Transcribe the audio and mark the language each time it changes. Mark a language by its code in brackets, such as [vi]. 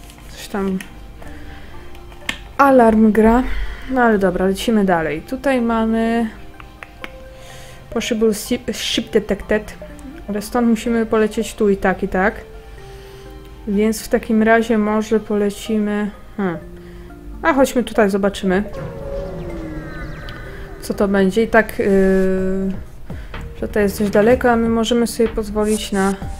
[pl] Coś tam... Alarm gra. No ale dobra, lecimy dalej. Tutaj mamy... [en] Possible ship detected. [pl] Ale stąd musimy polecieć tu i tak, i tak. Więc w takim razie może polecimy... A chodźmy tutaj, zobaczymy. Co to będzie. I tak... że to jest dość daleko, a my możemy sobie pozwolić na...